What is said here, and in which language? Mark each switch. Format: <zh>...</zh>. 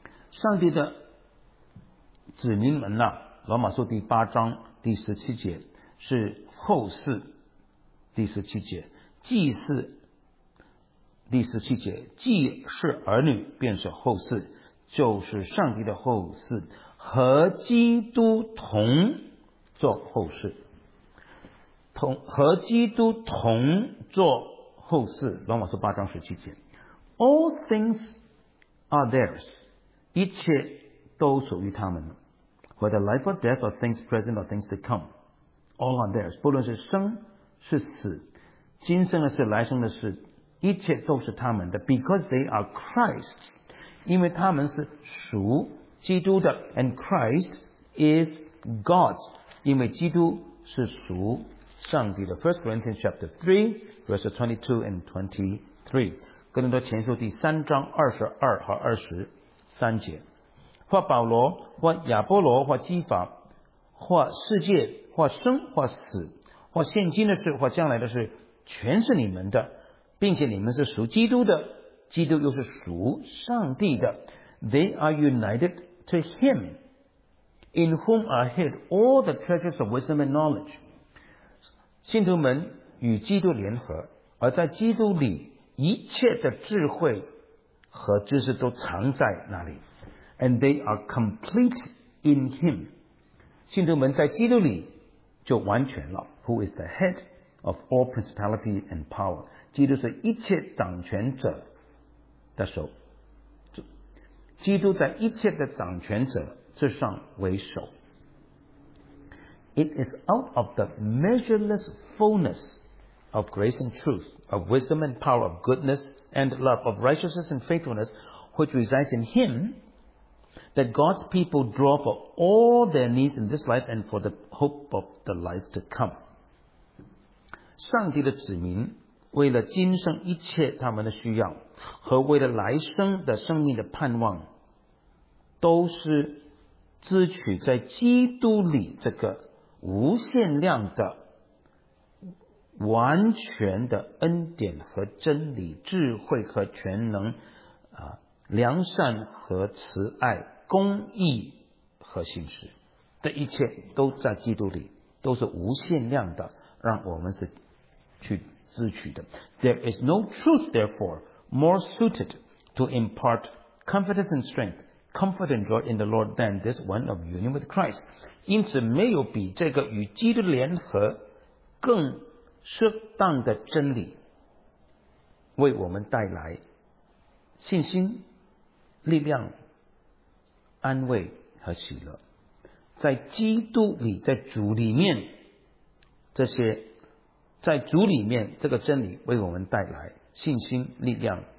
<zh>上帝的子民们啊，罗马书第八章第十七节是后世第十七节，既是第十七节，既是儿女便是后世，就是上帝的后世，和基督同做后世，同和基督同做后世。罗马书八章十七节。</zh> <en>All things are theirs,</en> <zh>一切都属于他们。</zh> <en>Whether life or death or things present or things to come, all are theirs,</en> <zh>不论是生是死，今生的事来生的事，一切都是他们的。</zh> <en>Because they are Christ's,</en> <zh>因为他们是属基督的。</zh> <en>And Christ is God's,</en> <zh>因为基督是属上帝的。</zh> <en>1 Corinthians chapter 3 verses 22 and 23,</en> <zh>哥林多前书第三章二十二和二十三节。或保罗，或亚波罗，或基法，或世界，或生或死，或现今的事，或将来的事，全是你们的，并且你们是属基督的，基督又是属上帝的。</zh> <en>They are united to him in whom are hid all the treasures of wisdom and knowledge.</en> <zh>信徒们与基督联合，而在基督里一切的智慧和知识都藏在那里。</zh> <en>And they are complete in him.</en> <zh>信徒们在基督里就完全了。</zh> <en>Who is the head of all principality and power?</en> <zh>基督是一切掌权者的首，基督在一切的掌权者之上为首。</zh> <en>It is out of the measureless fullness of grace and truth, of wisdom and power, of goodness and love, of righteousness and faithfulness, which resides in him, that God's people draw for all their needs in this life and for the hope of the life to come.</en> <zh>上帝的子民为了今生一切他们的需要和为了来生的生命的盼望，都是支取在基督里这个无限量的完全的恩典和真理、智慧和全能、良善和慈爱、公义和信实，这一切都在基督里，都是无限量的，让我们是去支取的。</zh> <en>There is no truth therefore more suited to impart confidence and strength, comfort and joy in the Lord than this one of union with Christ.</en> <zh>因此没有比这个与基督联合更适当的真理为我们带来信心、力量、安慰和喜乐。在基督里，在主里面，这些在主里面，这个真理为我们带来信心、力量、</zh>